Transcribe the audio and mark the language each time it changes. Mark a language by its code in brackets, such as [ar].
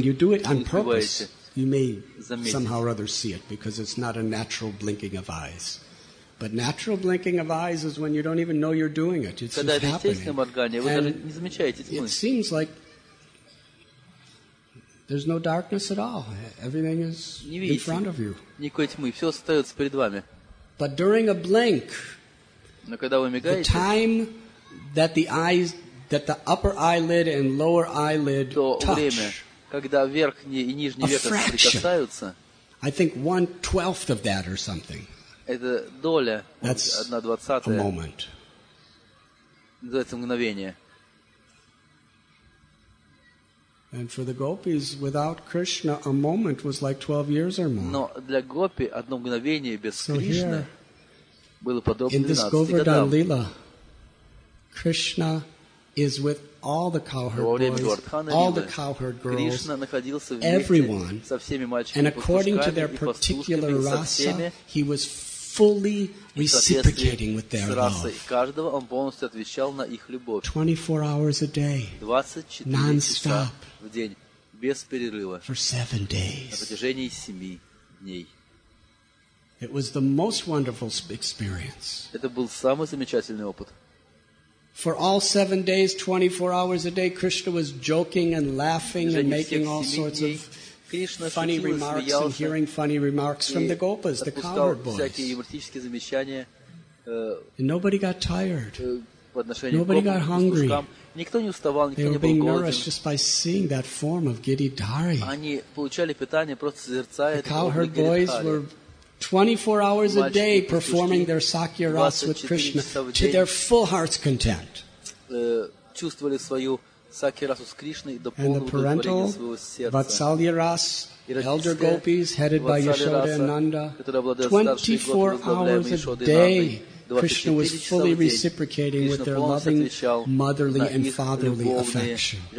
[en] When you do it on purpose, you may somehow or other see it because it's not a natural blinking of eyes. But natural blinking of eyes is when you don't even know you're doing it. It's [ru] когда [en] just happening. [ru] Когда это естественное моргание, вы даже не замечаете тьмы. [en] It seems like there's no darkness at all. Everything is in front of you. [ru] Никакой тьмы. Все остается перед вами. [en] But during a blink, [ru] но когда вы мигаете, [en] the time that the eyes, that the upper eyelid and lower eyelid touch, [ru] время, когда верхний и нижний век соприкасаются, [en] I think 1/12 of that or something. [ru] Это доля, [en] That's 1/20. A moment. [ru] Называется мгновение. [en] And for the gopis, without Krishna, a moment was like 12 years or more. [ru] Но для гопи одно мгновение без Кришны было подобно 12 годам. [en] In this Govardhan Lila, Krishna is with all the cowherd boys, all the cowherd girls, everyone, and according to their particular rasa, he was fully reciprocating with their love. 24 hours a day, non-stop. [ru] В день без перерыва. [en] For 7 days. [ru] На протяжении 7 дней. [en] It was the most wonderful experience. [ru] Это был самый замечательный опыт. [en] For all 7 days, 24 hours a day, Krishna was joking and laughing and making all sorts of funny remarks and hearing funny remarks from the gopas, the cowherd boys. [ru] Всякие юмористические замечания. [en] And nobody got tired. Nobody got hungry. [ru] Никто не уставал, никто [en] they were being [ru] не был [en] nourished Just by seeing that form of Giridhari. [ru] Они получали питание просто созерцая [en] The cowherd boys were 24 hours a day performing their sakya ras with Krishna to their full heart's content. [ru] Чувствовали свою сакья расу с Кришной до [en] And the parental vatsalya ras, elder gopis headed by Yashoda and Nanda, 24 hours a day. Krishna was fully reciprocating with their loving motherly and fatherly affection.